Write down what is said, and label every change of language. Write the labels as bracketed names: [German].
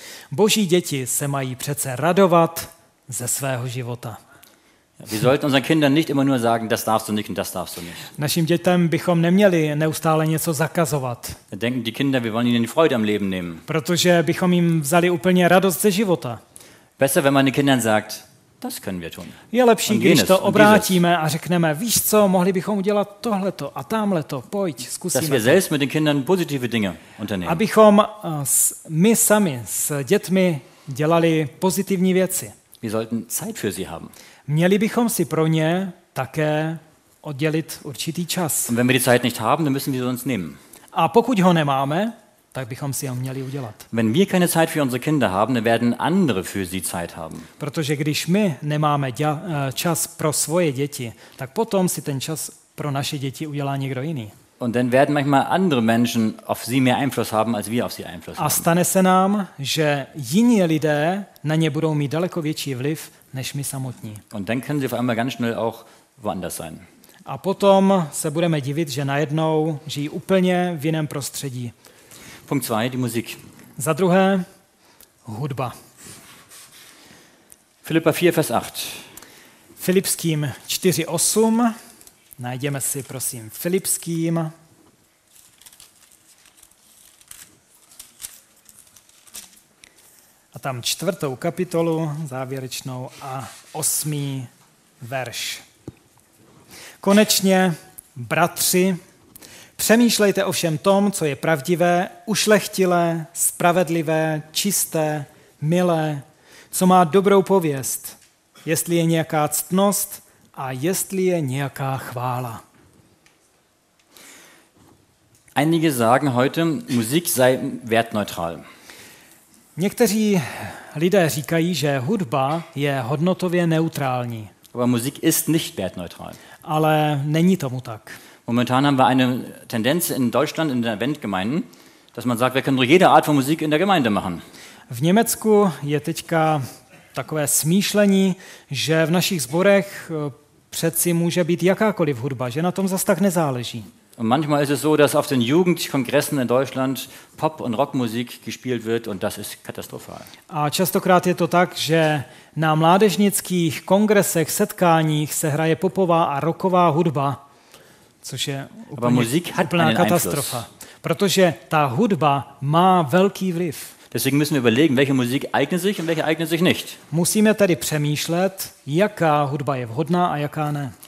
[Czech] Boží děti se mají přece radovat ze svého života. [German] Wir sollten unseren Kindern nicht immer nur sagen, das darfst du nicht und das darfst du nicht. [Czech] Našim dětem bychom neměli neustále něco zakazovat. [German] Denken die Kinder, wir wollen ihnen die Freude am Leben nehmen. [Czech] Protože bychom jim vzali úplně radost ze života. [German] Besser, wenn man den Kindern sagt, das können wir tun. [Czech] Je lepší, když to obrátíme a řekneme, víš co, mohli bychom udělat tohleto a támhleto, pojď, zkusíme. [German] Dass wir selbst mit den Kindern positive Dinge unternehmen. [Czech] Abychom my sami s dětmi dělali pozitivní věci. [German] Wir sollten Zeit für sie haben. [Czech] Měli bychom si pro ně také oddělit určitý čas. [German] Und wenn wir die Zeit nicht haben, dann müssen wir sie uns nehmen. [Czech] A pokud ho nemáme, tak bychom si ho měli udělat. [German] Wenn wir keine Zeit für unsere Kinder haben, dann werden andere für sie Zeit haben. [Czech] Protože když my nemáme čas pro svoje děti, tak potom si ten čas pro naše děti udělá někdo jiný. [German] Und dann werden manchmal andere Menschen auf sie mehr Einfluss haben, als wir auf sie Einfluss haben. [Czech] A stane se nám, že jiní lidé na ně budou mít daleko větší vliv než my samotní. [German] Und dann können sie auf einmal ganz schnell auch woanders sein. [Czech] A potom se budeme divit, že najednou žijí úplně v jiném prostředí. [German] Punkt 2, die Musik. [Czech] Za druhé, hudba. [German] Filipa 4, Vers 8. [Czech] Filipským 4:8. Najdeme si, prosím, Filipským. A tam čtvrtou kapitolu, závěrečnou, a 8. verš. Konečně, bratři, přemýšlejte o všem tom, co je pravdivé, ušlechtilé, spravedlivé, čisté, milé, co má dobrou pověst, jestli je nějaká ctnost a jestli je nějaká chvála. [German] Einige sagen heute, Musik sei wertneutral. [Czech] Někteří lidé říkají, že hudba je hodnotově neutrální. [German] Aber Musik ist nicht wertneutral. [Czech] Ale není tomu tak. [German] Momentan haben wir eine Tendenz in Deutschland in der Weltgemeinde, dass man sagt, wir können nur jede Art von Musik in der Gemeinde machen. [Czech] V Německu je teďka takové smýšlení, že v našich sborech přeci může být jakákoliv hudba, že na tom zas tak nezáleží. [German] Und manchmal ist es so, dass auf den Jugendkongressen in Deutschland Pop- und Rockmusik gespielt wird und das ist katastrophal. [Czech] A častokrát je to tak, že na mládežnických kongresech, setkáních se hraje popová a rocková hudba, což je úplná katastrofa. Protože ta hudba má velký vliv. [German] Deswegen müssen wir überlegen, welche Musik eignet sich und welche eignet sich nicht. [Czech] Musíme tedy přemýšlet, jaká hudba je vhodná a jaká ne.